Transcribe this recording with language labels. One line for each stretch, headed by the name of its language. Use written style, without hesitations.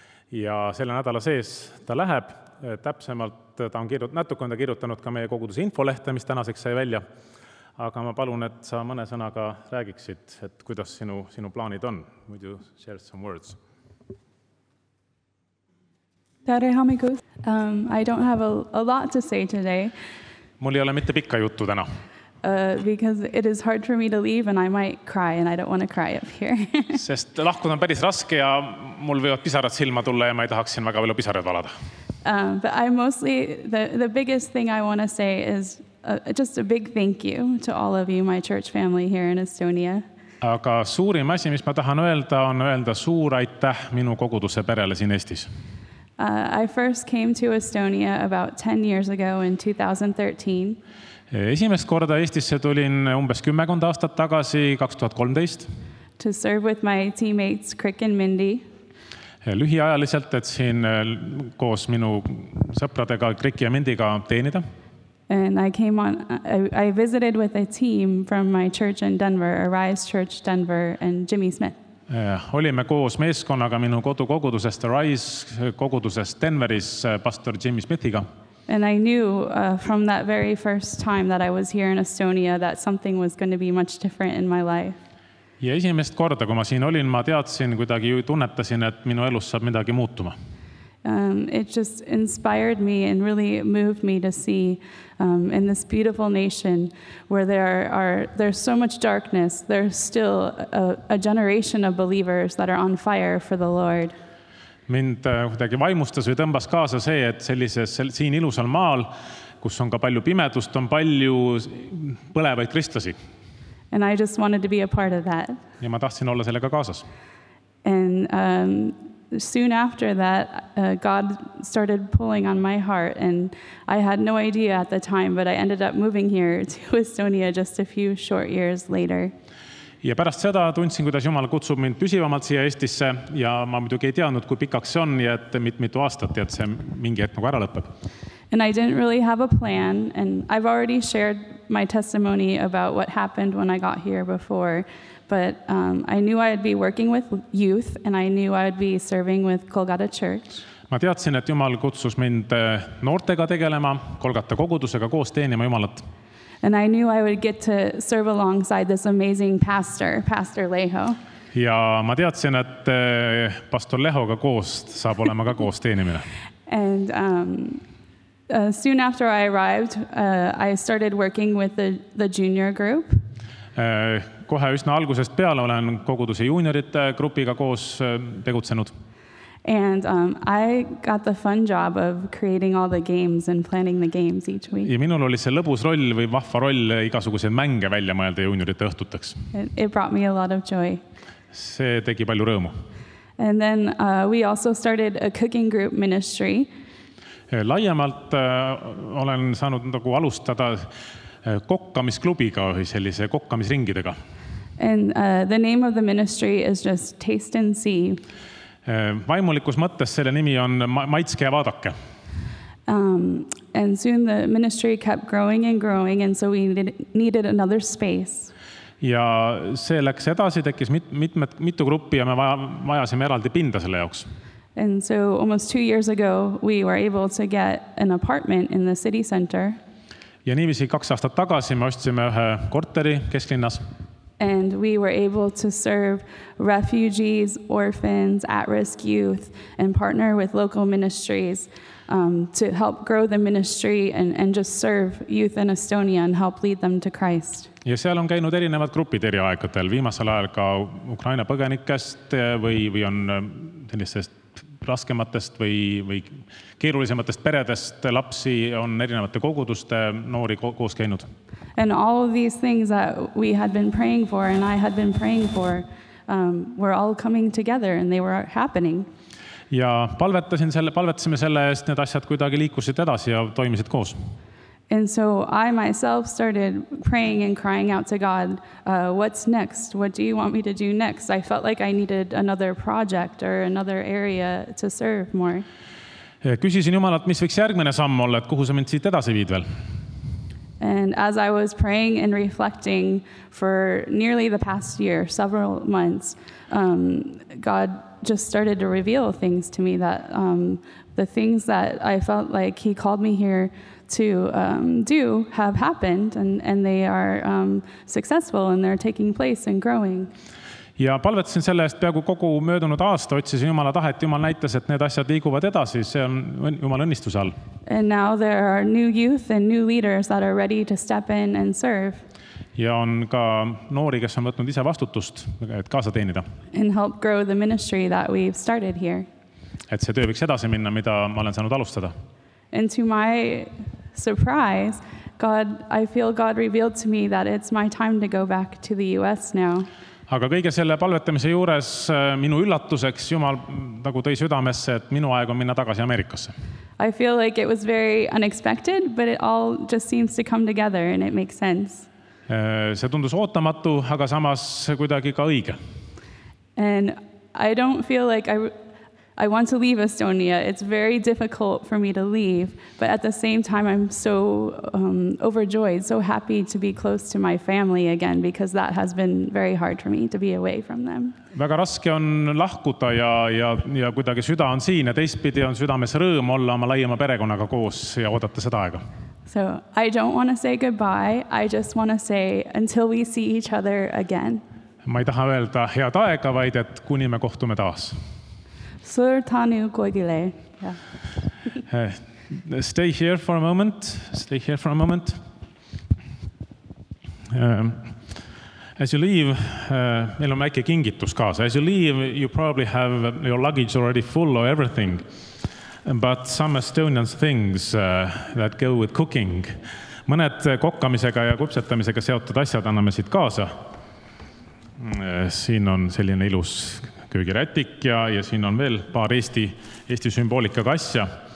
Estonian: Ja selle nädala sees ta läheb, täpsemalt ta on kirjutanud ka meie koguduse infolehte, mis tänaseks sai välja, aga ma palun, et sa mõne sõnaga räägiksid, et kuidas sinu plaanid on.
English: Would you share some words?
Estonian: Tere hommikus.
English: I don't have a lot to say today.
Estonian: Mul ei ole mitte pikka juttu täna.
English: Because it is hard for me to leave and I might cry and I don't want to cry up here.
Estonian: Sest lahkud on päris raske ja mul võivad pisarad silma tulla ja ma ei tahaksin väga palju pisarad valada.
English: But I mostly, the biggest thing I want to say is just a big thank you to all of you, my church family here in Estonia.
Estonian: Aga suurim asi, mis ma tahan öelda, on öelda suur aitäh minu koguduse perele siin Eestis.
English: I first came to Estonia about 10 years ago in 2013.
Estonian: Esimest korda Eestisse tulin umbes 10 aastat tagasi, 2013.
English: To serve with my teammates Crick and Mindy.
Estonian: Lühiajaliselt, et siin koos minu sõpradega Crick ja Mindiga teenida.
English: And I visited with a team from my church in Denver, Arise Church Denver and Jimmy Smith.
Estonian: Olime koos meeskonnaga minu kodukogudusest Arise kogudusest Denveris pastor Jimmy Smithiga.
English: And I knew from that very first time that I was here in Estonia that something was going to be much different in my life.
Estonian: Ja esimest korda, kui ma siin olin, ma teadsin, kuidagi tunnetasin, et minu elus saab midagi muutuma.
English: It just inspired me and really moved me to see in this beautiful nation where there's so much darkness, there's still a generation of believers that are on fire for the Lord.
Estonian: Mind kuidagi vaimustas või tõmbas kaasa see, et sellises siin ilusal maal, kus on ka palju pimedust, on palju põlevaid kristlasi.
English: And I just wanted to be a part of that.
Estonian: Ja ma tahtsin olla sellega kaasas.
English: And soon after that, God started pulling on my heart and I had no idea at the time, but I ended up moving here to Estonia just a few short years later.
Estonian: Ja pärast seda tundsin, kuidas Jumal kutsub mind püsivamalt siia Eestisse ja ma muidugi ei teanud, kui pikaks see on ja et mitu aastat ja et see mingi hetk nagu ära lõpeb.
English: And I didn't really have a plan and I've already shared my testimony about what happened when I got here before, but I knew I'd be working with youth and I knew I'd be serving with Kolgata Church.
Estonian: Ma teadsin, et Jumal kutsus mind noortega tegelema, Kolgata kogudusega koos teenima Jumalat.
English: And I knew I would get to serve alongside this amazing pastor, Pastor Leho.
Estonian: Ja ma teadsin, et Pastor Lehoga koos saab olema ka koos teenimine.
English: And soon after I arrived, I started working with the junior group.
Estonian: Kohe üsna algusest peale olen koguduse juniorite grupiga koos tegutsenud.
English: And I got the fun job of creating all the games and planning the games each week.
Estonian: Ja minul oli see lõbus roll või vahva roll igasuguseid mänge välja mõelda juuniorite õhtuteks.
English: It brought me a lot of joy.
Estonian: See tegi palju rõõmu.
English: And then we also started a cooking group ministry.
Estonian: Laiemalt olen saanud nagu alustada kokkamisklubiga või sellise kokkamisringidega.
English: And the name of the ministry is just Taste and See.
Estonian: Vaimulikus mõttes selle nimi on Maitske ja vaadake.
English: And soon the ministry kept growing and growing and so we needed another space.
Estonian: Ja see läks edasi, tekis mitu gruppi ja me vajasime eraldi pinda selle jaoks.
English: And so almost 2 years ago we were able to get an apartment in the city center.
Estonian: Ja niiviisi 2 aastat tagasi me ostsime ühe korteri kesklinnas.
English: And we were able to serve refugees, orphans, at-risk youth, and partner with local ministries to help grow the ministry and just serve youth in Estonia and help lead them to Christ.
Estonian: Ja seal on käinud erinevad gruppid eri aegadel, viimasel ajal ka Ukraina põgenikest või on sellisest raskematest või keerulisematest peredest lapsi on erinevate koguduste noori koos käinud.
English: And all of these things that we had been praying for and I had been praying for were all coming together and they were happening.
Estonian: Ja palvetasime selle eest need asjad kuidagi liikusid edasi ja toimisid koos.
English: And so I myself started praying and crying out to God, what's next? What do you want me to do next? I felt like I needed another project or another area to serve more.
Estonian: Küsisin Jumalat, mis võiks järgmine samm olla, et kuhu sa mind siit edasi viid veel?
English: And as I was praying and reflecting for nearly the past year, several months, God just started to reveal things to me that the things that I felt like he called me here to do have happened and they are successful and they're taking place and growing.
Estonian: Ja palvetasin selle eest peagu kogu möödunud aasta, otsisin Jumala tahet, Jumal näitas, et need asjad liiguvad edasi, see on Jumal õnnistus all.
English: And now there are new youth and new leaders that are ready to step in and serve.
Estonian: Ja on ka noori, kes on võtnud ise vastutust, et kaasa teenida.
English: And help grow the ministry that we've started here.
Estonian: Et see töö võiks edasi minna, mida ma olen saanud alustada.
English: And to my surprise, I feel God revealed to me that it's my time to go back to the US now.
Estonian: Aga kõige selle palvetamise juures minu üllatuseks Jumal nagu tõi südamesse, et minu aeg on minna tagasi Ameerikasse.
English: I feel like it was very unexpected, but it all just seems to come together and it makes sense.
Estonian: See tundus ootamatu, aga samas kuidagi ka õige.
English: And I don't feel like I want to leave Estonia. It's very difficult for me to leave, but at the same time I'm so overjoyed, so happy to be close to my family again because that has been very hard for me to be away from them.
Estonian: Väga raske on lahkuda ja kuidagi süda on siin ja teistpidi on südames rõõm olla oma laiema perekonnaga koos ja oodata seda aega.
English: So, I don't want to say goodbye. I just want to say until we see each other again.
Estonian: Ma ei taha öelda head aega, vaid et kuni me kohtume taas. Suur tänu kõigile.
English: Stay here for a moment. Stay here for a moment. As you leave,
Estonian: meil on väike kingitus kaasa.
English: As you leave, you probably have your luggage already full or everything. But some Estonian things that go with cooking.
Estonian: Mõned kokkamisega ja kupsetamisega seotud asjad anname siit kaasa. Siin on selline ilus köögirätik ja siin on veel paar Eesti sümboolikaga asja.